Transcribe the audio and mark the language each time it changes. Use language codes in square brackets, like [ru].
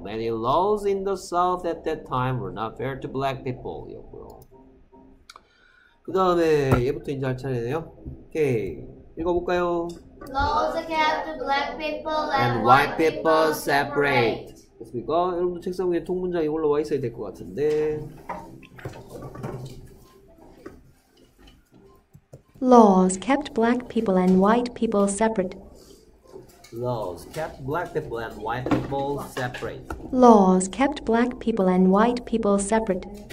[en] Many laws in the south at that time were not fair to black people. [ko] 였고요. 그 다음에 얘부터 이제 할 차례네요. 오케이. 읽어볼까요? [en] Laws kept black people and white people separate. [ko] 됐습니까? 여러분들 책상 위에 통문장이 올라와 있어야 될 것 같은데. [en] Laws kept black people and white people separate. Laws kept black people and white people separate. Laws kept black people and white people separate.